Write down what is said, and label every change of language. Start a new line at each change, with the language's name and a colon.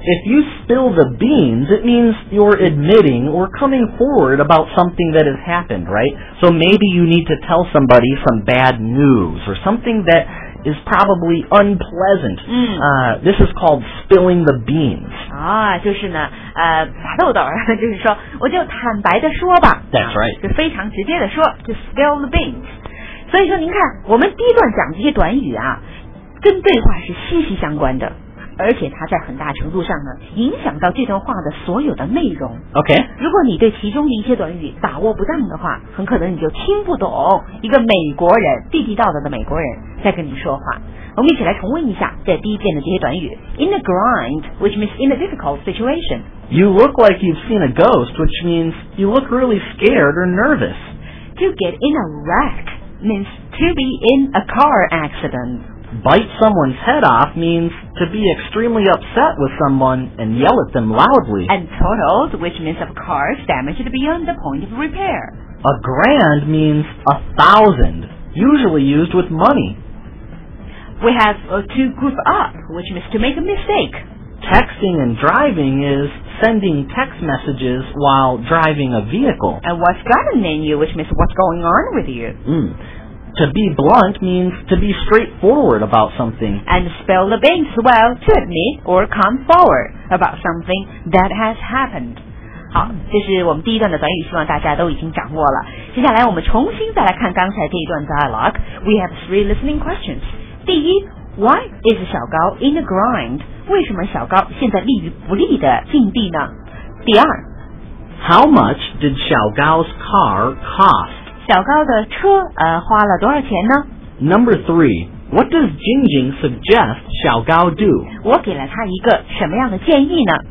English: If you spill the beans, it means you're admitting or coming forward about something that has happened, right? So maybe you need to tell somebody some bad news or something that is probably unpleasant.、 Mm. This is called spilling the beans.
Chinese: 啊，就是呢，撒豆豆，就是说，我就坦白的说吧。
English: That's right.
Chinese: 就非常直接的说 ，
English: to spill the beans.
Chinese: 所以说，您看，我们第一段讲这些短语啊，跟对话是息息相关的。而且它在很大程度上呢影响到这段话的所有的内容。 OK，如果你对其中的一些短语把握不当的话，很可能你就听不懂一个美国人，地地道道的美国人在跟你说话。我们一起来重温一下在第一遍的这些短语。
English: In the grind, which means in a difficult situation. You look like you've seen a ghost, which means you look really scared or nervous. To get in a wreck means to be in a car accident Bite someone's head off means to be extremely upset with someone and yell at them loudly. And totaled, which means of course damaged beyond the point of repair. A grand means a thousand, usually used with money. We have to goof up, which means to make a mistake. Texting and driving is sending text messages while driving a vehicle. And what's gotten in you, which means what's going on with you. Mm. To be blunt means to be straightforward about something. And spill the beans, well, to admit or come forward about something that has happened.
Chinese: 好，这是我们第一段的短语，希望大家都已经掌握了。接下来我们重新再来看刚才这一段 dialogue.
English: We have three listening questions.
Chinese: 第一，
English: why is 小高 in a grind?
Chinese: 为什么小高现在立于不利的境地呢？第二，
English: how much did 小高's car cost?
Chinese: 小高的车花了多少钱呢？
English: Number three, what does Jing Jing suggest 小高 do?
Chinese: 我给了他一个什么样的建议呢？